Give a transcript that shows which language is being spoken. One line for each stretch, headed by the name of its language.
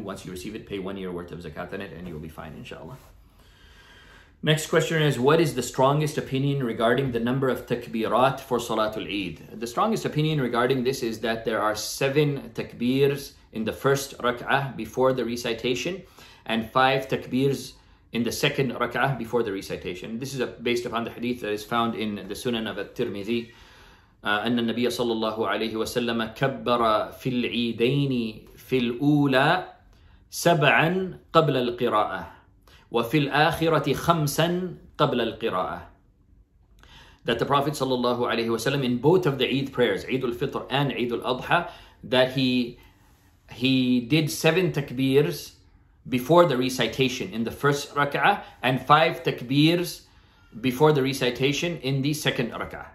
English: Once you receive it, pay 1 year worth of zakat on it and you'll be fine, inshallah. Next question is, what is the strongest opinion regarding the number of takbirat for Salatul Eid? The strongest opinion regarding this is that there are 7 takbirs in the first rak'ah before the recitation and 5 takbirs in the second rak'ah before the recitation. This is based upon the hadith that is found in the Sunan of At-Tirmidhi.
Arabic: أن النبي صلى الله عليه وسلم كبر في العيدين في الأولى 7 قبل القراءة وفي الآخرة 5 قبل القراءة.
English: That the Prophet صلى الله عليه وسلم, in both of the Eid prayers, Eid al-Fitr and Eid al-Adha, that he did 7 takbirs before the recitation in the first rak'ah and 5 takbirs before the recitation in the second rak'ah.